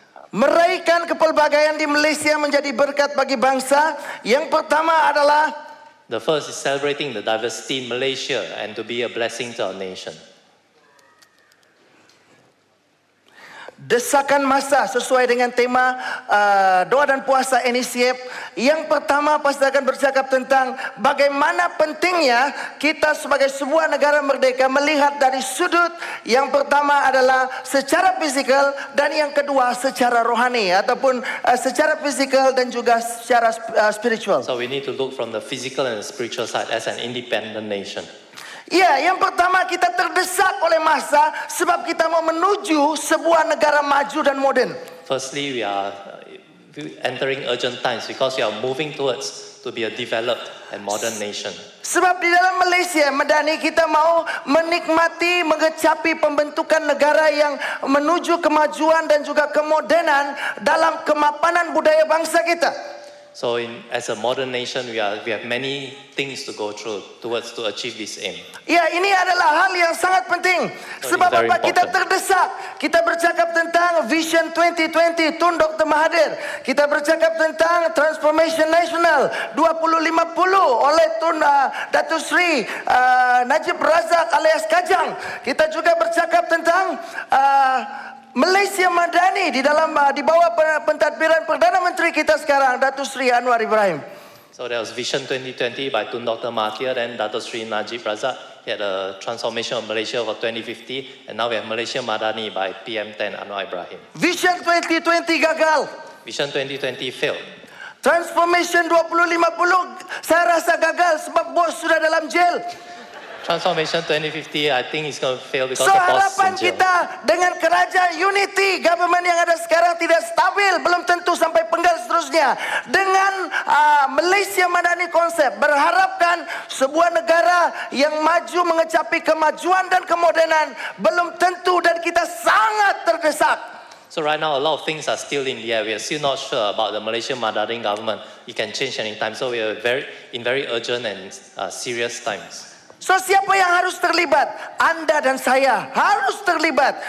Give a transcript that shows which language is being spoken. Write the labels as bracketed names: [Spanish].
[Malay] Meraihkan kepelbagaian di Malaysia menjadi berkat bagi bangsa. Yang pertama adalah [English] the first is celebrating the diversity in Malaysia and to be a blessing to our nation. [Malay] Desakan masa sesuai dengan tema doa dan puasa NECF. Yang pertama pasti akan bercakap tentang bagaimana pentingnya kita sebagai sebuah negara merdeka melihat dari sudut yang pertama adalah secara fisikal dan yang kedua secara rohani ataupun secara fisikal dan juga secara spiritual. [English] So we need to look from the physical and the spiritual side as an independent nation. [Malay] Ya, yang pertama kita terdesak oleh masa sebab kita mau menuju sebuah negara maju dan modern. [English] Firstly, we are entering urgent times because we are moving towards to be a developed and modern nation. [Malay] Sebab di dalam Malaysia Madani kita mau menikmati, mengecapi pembentukan negara yang menuju kemajuan dan juga kemodernan dalam kemapanan budaya bangsa kita. [English] So as a modern nation, we have many things to go through towards to achieve this aim. [Malay] Ya, ini adalah hal yang sangat penting. Sebab apa kita terdesak? Kita bercakap tentang Vision 2020, Tun Dr. Mahathir. Kita bercakap tentang Transformation Nasional 2050 oleh Tun Dato' Sri Najib Razak alias Kajang. Kita juga bercakap tentang Malaysia Madani di bawah pentadbiran Perdana Menteri kita sekarang Dato' Sri Anwar Ibrahim. [English] So there was Vision 2020 by Tun Dr. Mahathir and Dato' Sri Najib Razak. He had a transformation of Malaysia for 2050, and now we have Malaysia Madani by PM10 Anwar Ibrahim. [Malay] Vision 2020 gagal. [English] Vision 2020 failed. [Malay] Transformation 2050 saya rasa gagal sebab bos sudah dalam jail. [English] Transformation 2050, I think it's going to fail because so the boss is in jail. [Malay] So harapan kita dengan kerajaan [English] unity government [Malay] yang ada sekarang tidak stabil, belum tentu sampai penggal seterusnya. Dengan Malaysia Madani konsep, berharapkan sebuah negara yang maju mengecapi kemajuan dan kemodernan, belum tentu dan kita sangat terdesak. [English] So right now a lot of things are still in the air. We are still not sure about the Malaysia Madani government. It can change anytime. So we are very urgent and serious times. [Malay] So siapa yang harus terlibat? Anda dan saya harus terlibat.